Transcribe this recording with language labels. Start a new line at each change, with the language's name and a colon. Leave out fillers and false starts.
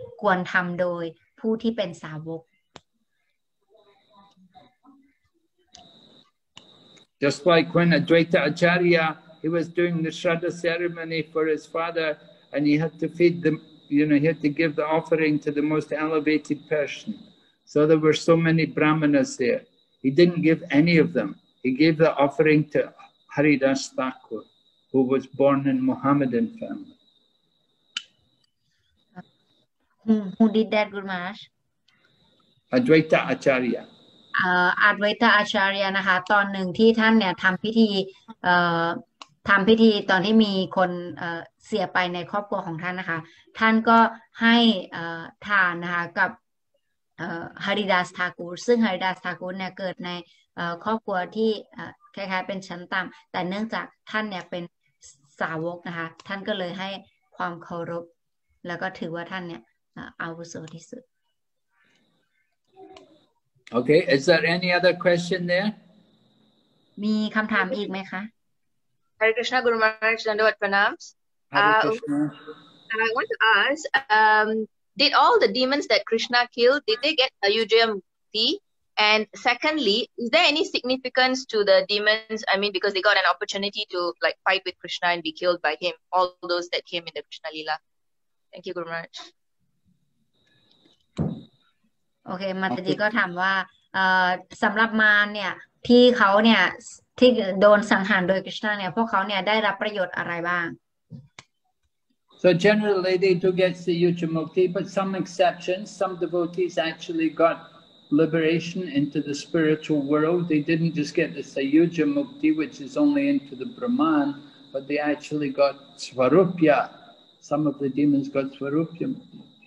Thai: ปฏิบัติการทำพิธีมงคลต่างๆนะคะก็ถือว่าเป็นการดีแต่ว่าพิธีมงคลเหล่านี้ควรทำโดยผู้ที่เป็นสาวก
English: Just like when Advaita Acharya, he was doing the Shraddha ceremony for his father and he had to feed them, you know, he had to give the offering to the most elevated person. So there were so many brahmanas there. He didn't give any of them. He gave the offering to Haridas Thakur, who was born in Mohammedan family. Who did that, Guru Maharaj? Advaita Acharya.
Thai: Advaita Acharya, naha, ton nung thi than nea tham pithi, ทำพิธีตอนที่มีคนเสียไปในครอบครัวของท่านนะคะท่านก็ให้ทานนะคะกับฮาริดาสทากูรซึ่งฮาริดาสทากูรเนี่ยเกิดในครอบครัวที่คล้ายๆเป็นชั้นต่ำแต่เนื่องจากท่านเนี่ยเป็นสาวกนะคะท่านก็เลยให้ความเคารพแล้วก็ถือว่าท่านเนี่ยอาวุโสที่สุด
English: Okay, is there any other question there?
Thai: มีคำถามอีกไหมคะ
English: Hare Krishna, Guru Maharaj, Dandavat Pranams. I want to ask, did all the demons that Krishna killed, did they get Ayodhya Mukti? And secondly, is there any significance to the demons? I mean, because they got an opportunity to like fight with Krishna and be killed by him, all those that came in the Krishna Leela. Thank you, Guru Maharaj.
Thai: Okay, Mataji ko tham wa, samrap maan niya, thi khao niya, ที่โดนสังหารโดยกฤษณะเนี่ยพวกเขาเนี่ยได้รับประโยชน์อะไรบ้าง
English: So generally they do get Sayuja Mukti but some exceptions some devotees actually got liberation into the spiritual world they didn't just get the Sayuja Mukti which is only into the Brahman but they actually got Svarupya some of the demons got Svarupya Mukti